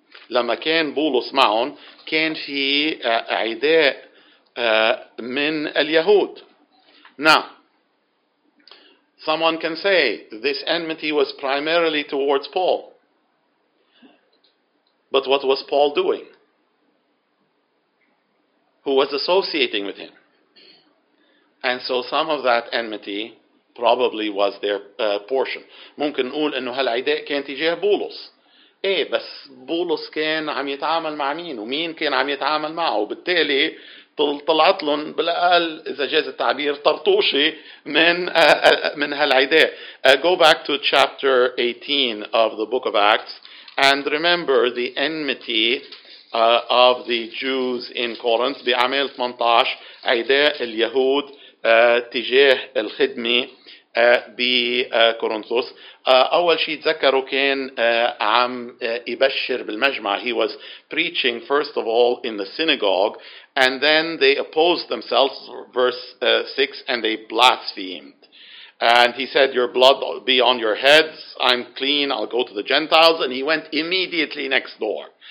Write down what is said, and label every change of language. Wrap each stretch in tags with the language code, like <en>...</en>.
<ar>لما كان بولس معهم كان في عداء من اليهود.</ar> <en>Now, someone can say this enmity was primarily towards Paul. But what was Paul doing? Who was associating with him? And so some of that enmity probably was their portion.</en> <ar>ممكن نقول انه هالعداء كان تجاه بولس. ايه بس بولس كان عم يتعامل مع مين ومين كان عم يتعامل معه، وبالتالي طلعت لهم بالاقل اذا جاز التعبير طرطوشي من هالعداء.</ar> <en>Go back to chapter 18 of the book of Acts and remember the enmity of the Jews in Corinth.</en> <ar>بعمل 18 عداء اليهود تجاه الخدمة بكورنثوس. أول شيء تذكروا كان عم يبشر بالمجمع.</ar> <en>He was preaching first of all in the synagogue and then they opposed themselves, verse 6, and they blasphemed. And he said, your blood be on your heads, I'm clean, I'll go to the Gentiles. And he went immediately next door.</en>